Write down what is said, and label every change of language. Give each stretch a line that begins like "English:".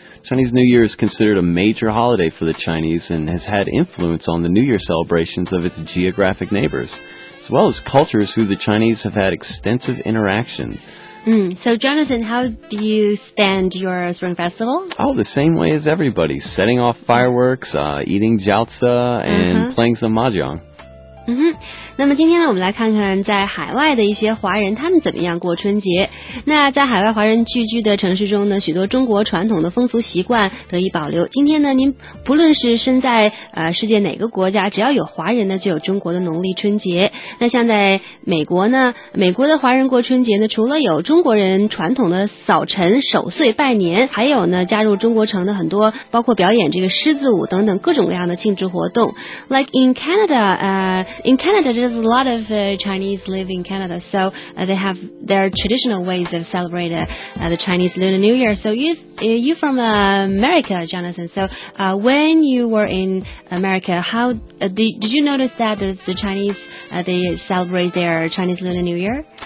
English: Chinese New Year is considered a major holiday for the Chinese and has had influence on the New Year celebrations of its geographic neighbors. As well as cultures who the Chinese have had extensive interaction. So Jonathan, how do you spend your Spring Festival? Oh, the same way as everybody. Setting off fireworks, eating jiaozi, and playing some mahjong. Mm-hmm.
Chinese: 那么今天呢，我们来看看在海外的一些华人他们怎么样过春节。那在海外华人聚居的城市中呢，许多中国传统的风俗习惯得以保留。今天呢，您不论是身在世界哪个国家，只要有华人呢，就有中国的农历春节。那像在美国呢，美国的华人过春节呢，除了有中国人传统的扫尘守岁拜年，还有呢加入中国城的很多包括表演这个狮子舞等等各种各样的庆祝活动。
English: Like in Canada, There's a lot of Chinese live in Canada, so they have their traditional ways of celebrating the Chinese Lunar New Year. So you're from America, Jonathan. So when you were in America, did you notice that the Chinese, they celebrate their Chinese Lunar New Year?